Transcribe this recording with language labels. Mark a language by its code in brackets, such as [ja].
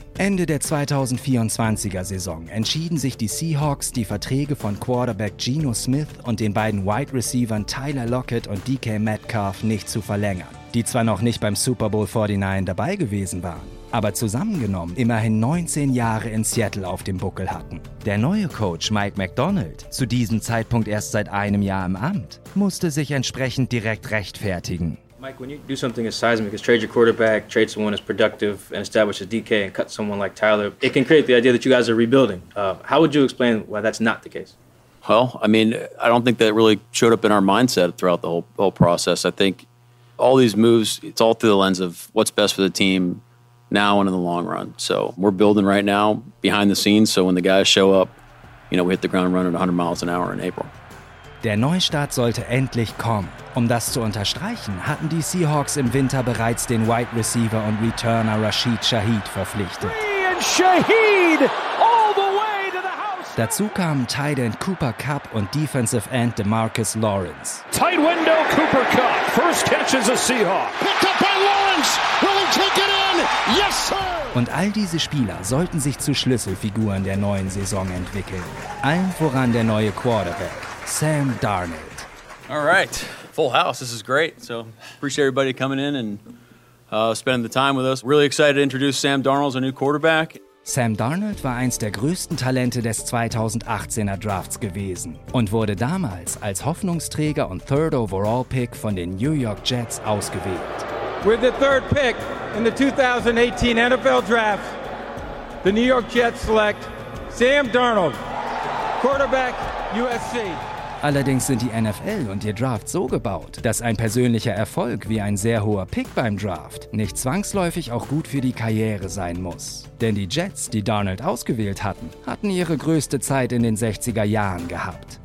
[de] Ende der 2024er-Saison entschieden sich die Seahawks, die Verträge von Quarterback Geno Smith und den beiden Wide Receivern Tyler Lockett und DK Metcalf nicht zu verlängern, die zwar noch nicht beim Super Bowl 49 dabei gewesen waren, aber zusammengenommen immerhin 19 Jahre in Seattle auf dem Buckel hatten. Der neue Coach Mike McDonald, zu diesem Zeitpunkt erst seit einem Jahr im Amt, musste sich entsprechend direkt rechtfertigen. [en] Mike, when you do something as seismic as trade your quarterback, trade someone as productive and establish a DK and cut someone like Tyler, it can create the idea that you guys are rebuilding. How would you explain why that's not the case? Well, I mean, I don't think that really showed up in our mindset throughout the whole process. I think all these moves, it's all through the lens of what's best for the team now and in the long run. So we're building right now behind the scenes. So when the guys show up, you know, we hit the ground running 100 miles an hour in April. [de] Der Neustart sollte endlich kommen. Um das zu unterstreichen, hatten die Seahawks im Winter bereits den Wide Receiver und Returner Rashid Shaheed verpflichtet. [en] Shaheed, all the way to the house. [de] Dazu kamen Tight End Cooper Kupp und Defensive End DeMarcus Lawrence. [en] Tight window Cooper Kupp. First catch is a Seahawk. Picked up by Lawrence. Will he take it in? Yes, sir. [de] Und all diese Spieler sollten sich zu Schlüsselfiguren der neuen Saison entwickeln. Allen voran der neue Quarterback. Sam Darnold. [en] All right, full house. This is great. So appreciate everybody coming in and spending the time with us. Really excited to introduce Sam Darnold, our new quarterback. [de] Sam Darnold war eins der größten Talente des 2018er Drafts gewesen und wurde damals als Hoffnungsträger und Third Overall Pick von den New York Jets ausgewählt. [en] With the third pick in the 2018 NFL Draft, the New York Jets select Sam Darnold, quarterback. USC. [de] Allerdings sind die NFL und ihr Draft so gebaut, dass ein persönlicher Erfolg wie ein sehr hoher Pick beim Draft nicht zwangsläufig auch gut für die Karriere sein muss. Denn die Jets, die Darnold ausgewählt hatten, hatten ihre größte Zeit in den 60er Jahren gehabt.